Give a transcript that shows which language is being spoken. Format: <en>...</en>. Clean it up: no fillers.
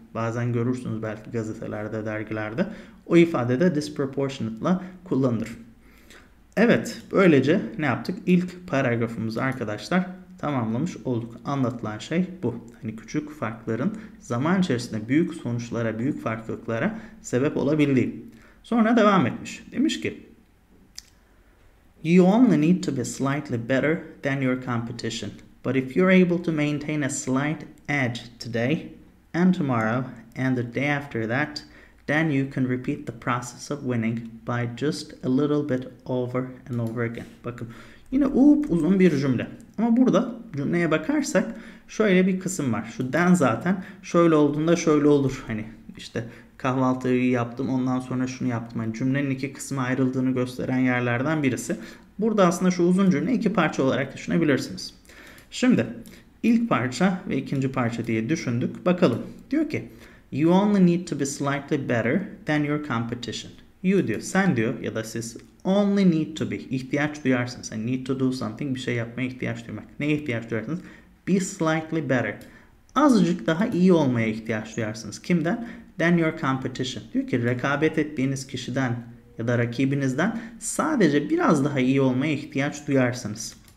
<tr>Bazen görürsünüz belki gazetelerde, dergilerde. O ifade de disproportionate'la kullanılır. Evet, böylece ne yaptık? İlk paragrafımızı arkadaşlar tamamlamış olduk. Anlatılan şey bu. Hani küçük farkların zaman içerisinde büyük sonuçlara, büyük farklılıklara sebep olabildiği. Sonra devam etmiş. Demiş ki,</tr> <en>"You only need to be slightly better than your competition. But if you're able to maintain a slight edge today and tomorrow and the day after that, then you can repeat the process of winning by just a little bit over and over again."</en> <tr>Bakın yine uzun bir cümle. Ama burada cümleye bakarsak şöyle bir kısım var. Şu "then" zaten şöyle olduğunda şöyle olur. Hani işte kahvaltıyı yaptım, ondan sonra şunu yaptım. Hani cümlenin iki kısmı ayrıldığını gösteren yerlerden birisi. Burada aslında şu uzun cümle iki parça olarak düşünebilirsiniz. Şimdi ilk parça ve ikinci parça diye düşündük. Bakalım. Diyor ki,</tr> <en>"You only need to be slightly better than your competition."</en> <tr>You diyor, sen diyor ya da siz</tr> <en>only need to be,</en> <tr>ihtiyaç duyarsınız. Yani</tr> <en>need to do something,</en> <tr>bir şey yapmaya ihtiyaç duymak. Neye ihtiyaç duyarsınız?</tr> <en>Be slightly better.</en> <tr>Azıcık daha iyi olmaya ihtiyaç duyarsınız. Kimden?</tr> <en>Than your competition.</en> <tr>Diyor ki rekabet ettiğiniz kişiden ya da rakibinizden sadece biraz daha iyi olmaya ihtiyaç duyarsınız.</tr>